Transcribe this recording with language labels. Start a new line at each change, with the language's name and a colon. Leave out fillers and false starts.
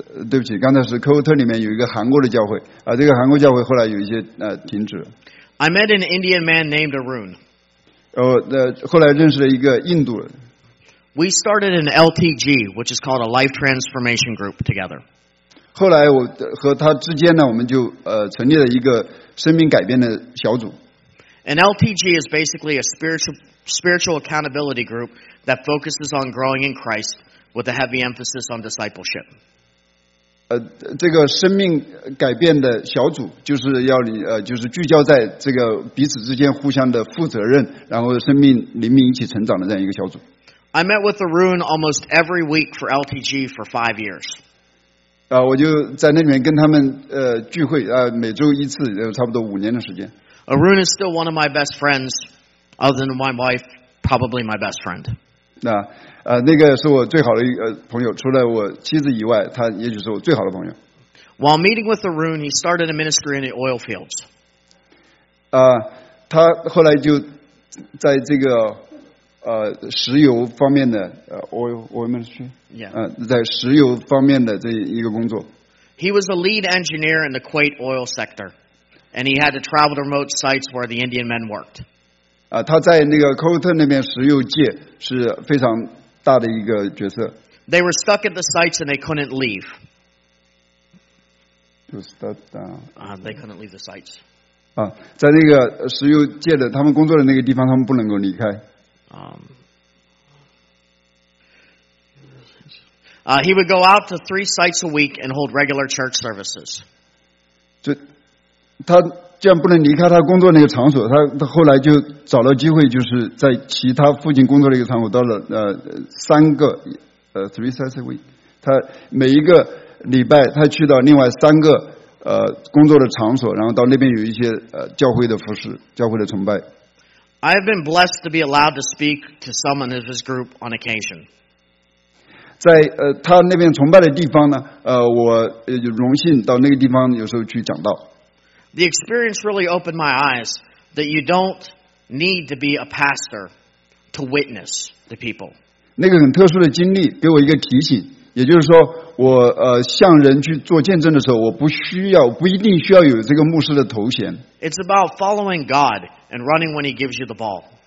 Chinese: 对不起，刚才是科威特里面有一个韩国的教会，这个韩国教会后来有一些停止。
English: I met an Indian man named Arun.
Chinese: 后来认识了一个印度人。
English: We started an LTG, which is called a life transformation group, together.
Chinese: 后来我和他之间呢，我们就成立了一个生命改变的小组。
English: An LTG is basically a spiritual accountability group that focuses on growing in Christ with a heavy emphasis on discipleship.
Chinese: 这个生命改变的小组就是要就是聚焦在这个彼此之间互相的负责任，然后生命灵命一起成长的这样一个小组。
English: I met with Arun almost every week for LTG for 5 years.
Chinese: 我就在那里面跟他们聚会每周一次，差不多5年的时间。
English: Arun is still one of my best friends, other than my wife, probably my best friend.
Chinese: 那个是我最好的朋友，除了我妻子以外，他也许是我最好的朋友。
English: While meeting with Arun, he started a ministry in the oil fields.
Chinese: 他后来就在这个石油方面的
English: oil ministry. Yeah.
Chinese: 在石油方面的这一个工作。
English: He was the lead engineer in the Kuwait oil sector. And he had to travel to remote sites where the Indian men worked.
Chinese: 他在那个科威特那边石油界是非常大的一个角色。
English: They were stuck at the sites and they couldn't leave. They couldn't leave the sites.
Chinese: 在那个石油界的他们工作的那个地方，他们不能够离开。
English: He would go out to 3 sites a week and hold regular church services.
Chinese: 他既然不能离开他工作那个场所，他后来就找了机会，就是在其他附近工作的一个场所，到了
English: 3 sites a week，
Chinese: 他每一个礼拜他去到另外3个工作的场所，然后到那边有一些教会的服事，教会的崇拜。
English: I have been blessed to be allowed to speak to someone in this group on occasion.
Chinese: 在他那边崇拜的地方呢，我荣幸到那个地方有时候去讲道。
English: The experience really opened my eyes that you don't need to be a pastor to witness to people.
Chinese: 那个很特殊的经历给我一个提醒，也就是说，我向人去做见证的时候，我不一定需要有这个牧师的头衔。
English: It's about following God and running when He gives you the ball.